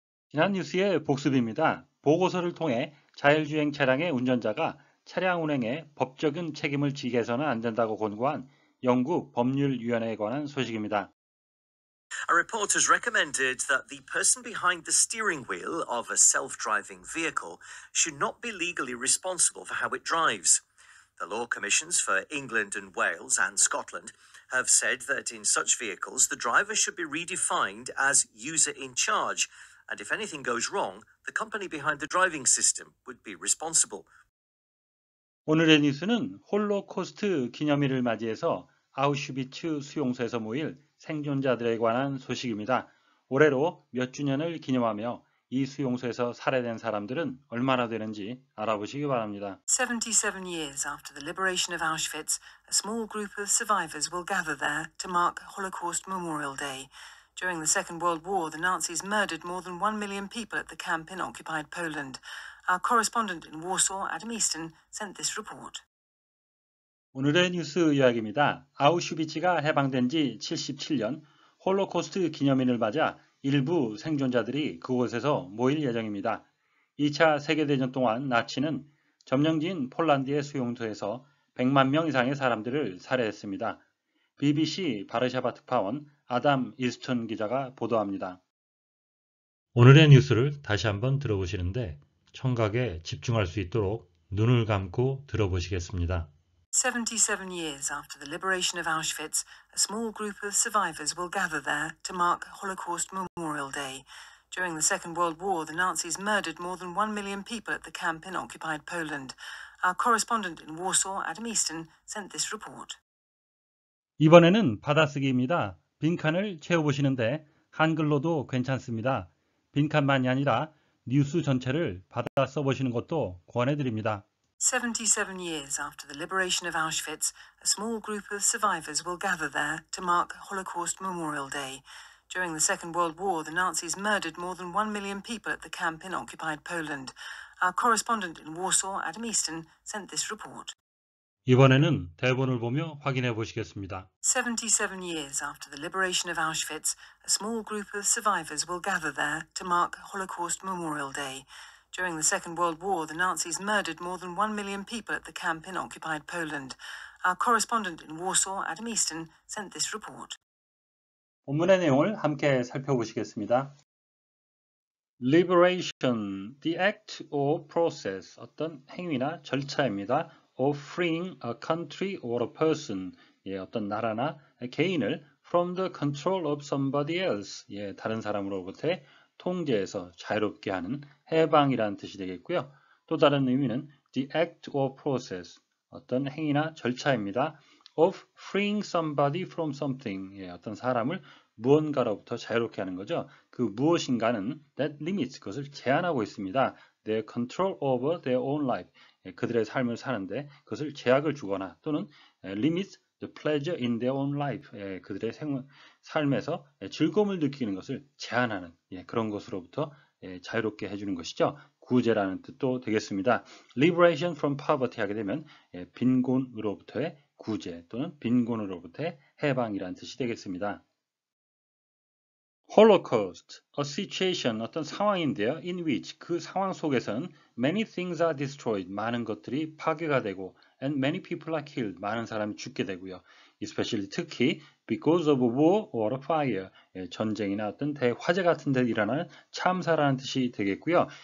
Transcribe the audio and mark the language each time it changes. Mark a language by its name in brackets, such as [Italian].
[Korean] 지난 뉴스의 복습입니다. 보고서를 통해 자율주행 차량의 운전자가 차량 운행에 법적인 책임을 지게 해서는 안 된다고 권고한 영국 법률위원회에 관한 소식입니다. [English] A report has recommended that the person behind the steering wheel of a self-driving vehicle should not be legally responsible for how it drives. The Law Commissions for England and Wales and Scotland have said that in such vehicles, the driver should be redefined as user in charge, and if anything goes wrong, the company behind the driving system would be responsible. [Korean] 오늘의 뉴스는 홀로코스트 기념일을 맞이해서 아우슈비츠 수용소에서 모일 생존자들에 관한 소식입니다. 올해로 몇 주년을 기념하며 이 수용소에서 살해된 사람들은 얼마나 되는지 알아보시기 바랍니다. [English] 77 years after the liberation of Auschwitz, a small group of survivors will gather there to mark Holocaust Memorial Day. During the Second World War, the Nazis murdered more than 1 million people at the camp in occupied Poland. Our correspondent in Warsaw, Adam Easton, sent this report. [Korean] 오늘의 뉴스 요약입니다. 아우슈비츠가 해방된 지 77년, 홀로코스트 기념일을 맞아 일부 생존자들이 그곳에서 모일 예정입니다. 2차 세계대전 동안 나치는 점령지인 폴란드의 수용소에서 100만 명 이상의 사람들을 살해했습니다. BBC 바르샤바 특파원 아담 이스턴 기자가 보도합니다. 오늘의 뉴스를 다시 한번 들어보시는데, 청각에 집중할 수 있도록 눈을 감고 들어보시겠습니다. [English] 77 years after the liberation of Auschwitz, a small group of survivors will gather there to mark Holocaust Memorial Day. During the Second World War, the Nazis murdered more than 1 million people at the camp in occupied Poland. Our correspondent in Warsaw, Adam Easton, sent this report. [Korean] 이번에는 받아쓰기입니다. 빈칸을 채워보시는데 한글로도 괜찮습니다. 빈칸만이 아니라 뉴스 전체를 받아 써보시는 것도 권해드립니다. [English] 77 years after the liberation of Auschwitz, a small group of survivors will gather there to mark Holocaust Memorial Day. During the Second World War, the Nazis murdered more than 1 million people at the camp in occupied Poland. Our correspondent in Warsaw, Adam Easton, sent this report. [Korean] 이번에는 대본을 보며 확인해 보시겠습니다. [English] 77 years after the liberation of Auschwitz, a small group of survivors will gather there to mark Holocaust Memorial Day. During the Second World War, the Nazis murdered more than 1 million people at the camp in occupied Poland. Our correspondent in Warsaw, Adam Easton, sent this report. [Korean] 본문의 내용을 함께 살펴보시겠습니다. [English] Liberation, the act or process, [Korean] 어떤 행위나 절차입니다. [English] Of freeing a country or a person, [Korean] 어떤 나라나 개인을 [English] from the control of somebody else, [Korean] 다른 사람으로부터 통제해서 자유롭게 하는 해방이라는 뜻이 되겠고요. 또 다른 의미는 [English] the act or process, [Korean] 어떤 행위나 절차입니다. [English] Of freeing somebody from something, [Korean] 어떤 사람을 무언가로부터 자유롭게 하는 거죠. 그 무엇인가는 [English] that limits, [Korean] 그것을 제한하고 있습니다. [English] Their control over their own life, [Korean] 그들의 삶을 사는데 그것을 제약을 주거나 또는 [English] limits the pleasure in their own life, [Korean] 그들의 삶에서 즐거움을 느끼는 것을 제한하는 그런 것으로부터 자유롭게 해주는 것이죠. 구제라는 뜻도 되겠습니다. [English] Liberation from poverty [Korean] 하게 되면 빈곤으로부터의 구제 또는 빈곤으로부터의 해방이라는 뜻이 되겠습니다. [English] Holocaust, a situation, [Korean] 어떤 상황인데요. [English] In which, [Korean] 그 상황 속에서는 [English] many things are destroyed, [Korean] 많은 것들이 파괴가 되고, [English] and many people are killed, [Korean] 많은 사람이 죽게 되고요. Especially, 특히, [English] because of war or fire, [Korean] 전쟁이나 어떤 대화재 같은 데 일어나는 참사라는 뜻이 되겠고요.